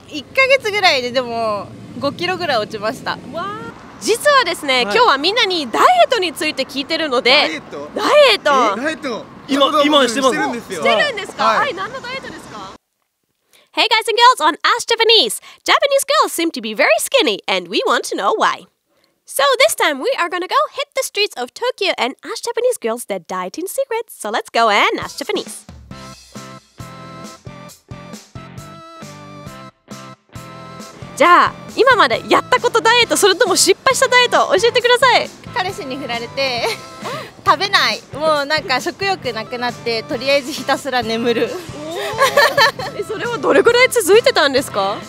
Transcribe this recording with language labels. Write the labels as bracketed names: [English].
[Japanese] 1ヶ月ぐらいででも5キロぐらい落ちました。わ、実はですね、はい、今日はみんなにダイエットについて聞いてるので。ダイエット？ダイエット、ダイエット今してるんですよ。してるんですか？はい、何のダイエットですか？ [English] Hey guys and girls on Ask Japanese! Japanese girls seem to be very skinny and we want to know why! So this time we are gonna go hit the streets of Tokyo and ask Japanese girls their dieting secrets. So let's go and ask Japanese. [Japanese] じゃあ今までやったことダイエット、それとも失敗したダイエット教えてください。彼氏に振られて食べない、もうなんか食欲なくなって、とりあえずひたすら眠る。おそれはどれぐらい続いてたんですか？